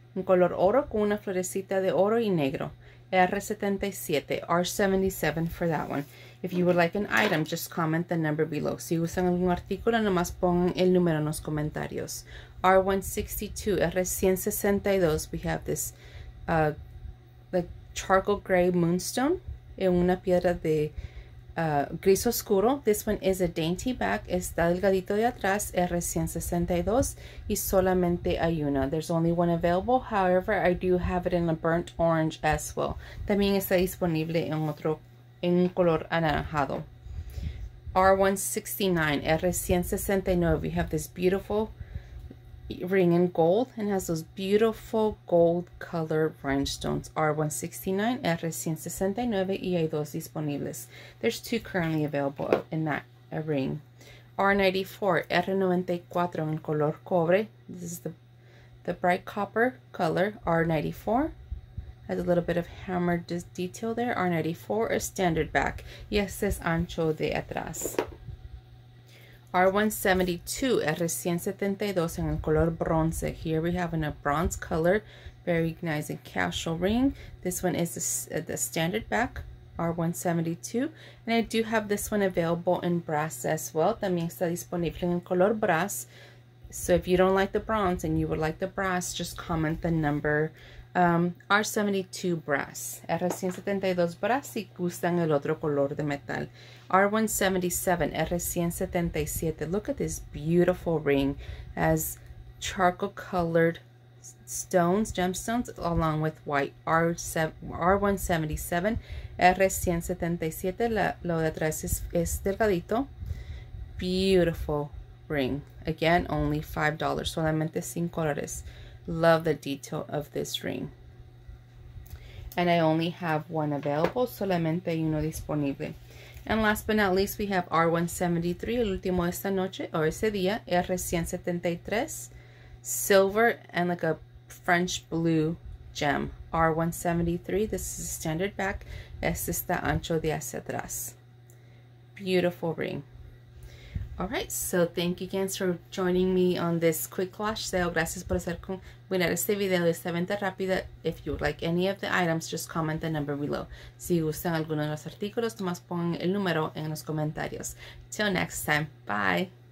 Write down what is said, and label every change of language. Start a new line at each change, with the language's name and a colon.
Spanish: En color oro con una florecita de oro y negro.
English: R77 for that one. If you would like an item, just comment the number below.
Spanish: Si usan algún artículo, nomás pongan el número en los comentarios.
English: R162, we have this like charcoal gray moonstone
Spanish: en una piedra de gris oscuro.
English: This one is a dainty back.
Spanish: Está delgadito de atrás. R162 y solamente hay una.
English: There's only one available. However, I do have it in a burnt orange as well.
Spanish: También está disponible en otro, en un color anaranjado.
English: R169, we have this beautiful ring in gold and has those beautiful gold colored rhinestones.
Spanish: R169, R169, y hay dos disponibles.
English: There's two currently available in that ring. R94, R94 in color cobre. This is the The bright copper color, R94. Has a little bit of hammered detail there. R94, a standard back. Yes,
Spanish: es ancho de atrás. R172, es recién 72 en el color bronce.
English: Here we have in a bronze color, very nice and casual ring. This one is the standard back, R172. And I do have this one available in brass as well.
Spanish: También está disponible en color brass.
English: So if you don't like the bronze and you would like the brass, just comment the number. R72 brass.
Spanish: R172 brass si gustan el otro color de metal.
English: R177, R177. Look at this beautiful ring. Has charcoal colored stones, gemstones, along with white. R177, R177.
Spanish: Lo de atrás es delgadito.
English: Beautiful ring. Again, only $5.
Spanish: Solamente 5 dólares.
English: Love the detail of this ring. And I only have one available,
Spanish: solamente uno disponible.
English: And last but not least, we have R173,
Spanish: el último esta noche, o ese día,
English: R173, silver and like a French blue gem. R173, this is a standard back,
Spanish: este está ancho de hacia atrás.
English: Beautiful ring. All right, so thank you again for joining me on this quick flash sale.
Spanish: Gracias por hacer con mirar este video de esta venta rápida.
English: If you would like any of the items, just comment the number below.
Spanish: Si gustan alguno de los artículos, nomás pongan el número en los comentarios.
English: Till next time, bye.